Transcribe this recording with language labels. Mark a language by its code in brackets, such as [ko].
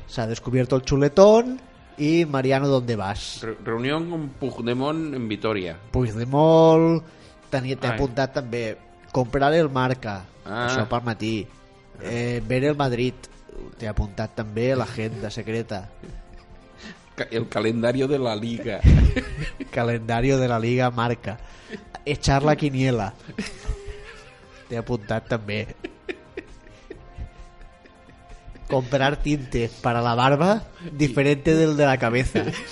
[ca] S'ha descobert el xuletón. I Mariano, d'on vas? Reunió amb Puigdemont en Vitoria. Puigdemont... T'he apuntat també comprar el Marca, això per matí, [es] ver el Madrid, [ca] t'he apuntat també l'agenda secreta. [es] El calendario de la Liga. Calendario de la Liga Marca. Echar la quiniela, t'he apuntat també. Comprar tinte para la barba, diferente del de la cabeza.